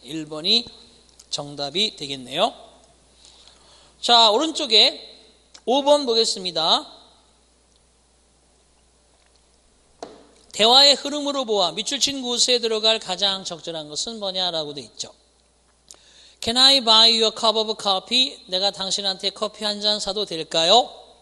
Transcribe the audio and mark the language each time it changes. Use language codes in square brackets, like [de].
[ko] 1번이 정답이 되겠네요. 자, 오른쪽에 5번 보겠습니다. 대화의 흐름으로 보아 밑줄 친 곳에 들어갈 가장 적절한 것은 뭐냐라고 돼 있죠. [en] Can I buy you a cup of coffee? [ko] 내가 당신한테 커피 한 잔 사도 될까요?